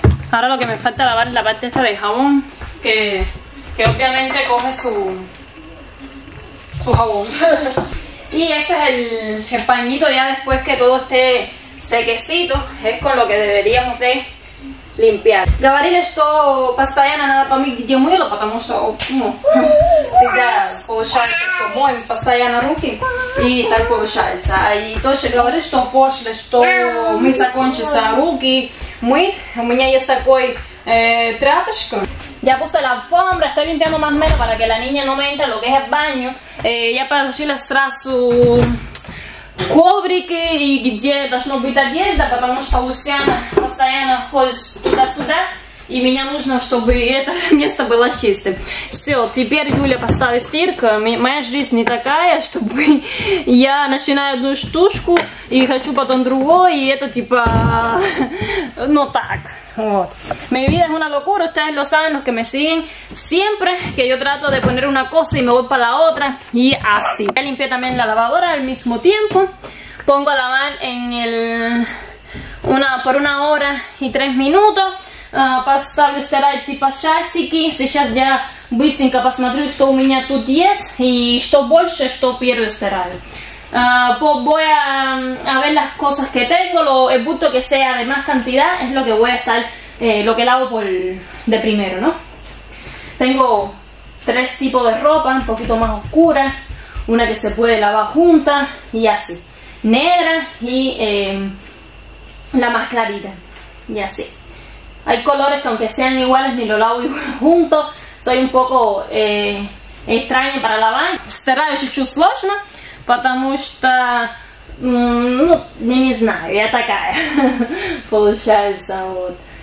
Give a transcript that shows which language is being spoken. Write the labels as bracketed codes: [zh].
[es] Ahora lo que me falta lavar es la parte esta de jabón, que obviamente coge su jabón. Y este es el pañito ya después que todo esté sequecito, es con lo que deberíamos de limpiar. [ru] Говорили, что постоянно надо помыть, где мыло, потому что, ну, всегда получается, что моем постоянно руки, и так получается. И тоже говорили, что после, что мы закончимся руки мыть, у меня есть такой тряпочка. [es] Ya puse la alfombra, estoy limpiando más o menos para que la niña no me entre lo que es el baño. Ya para decirle, está su [ru] коврики и где должно быть одежда, потому что Лусяна постоянно ходит туда-сюда, и мне нужно, чтобы это место было чистым. Все, теперь Юля поставит стирку. Моя жизнь не такая, чтобы я начинаю одну штучку и хочу потом другую, и это типа, ну так. Вот. [es] Mi vida es una locura, ustedes lo saben, los que me siguen siempre, que yo trato de poner una cosa y me voy para la otra, y así. Ya limpié también la lavadora al mismo tiempo, pongo a lavar por una hora y tres minutos, [ru] поставлю стирать типа часики, сейчас я быстренько посмотрю, что у меня тут есть, и что больше, что первое стираю. [es] Voy a ver las cosas que tengo, el bulto que sea de más cantidad es lo que voy a estar, lo que lavo de primero, ¿no? Tengo tres tipos de ropa, un poquito más oscura, una que se puede lavar junta y así, negra y la más clarita y así. Hay colores que aunque sean iguales ni lo lavo junto, soy un poco extraña para lavar. Será chuchus sложно. [ru] Потому что, ну, я не знаю, я такая, получается, вот.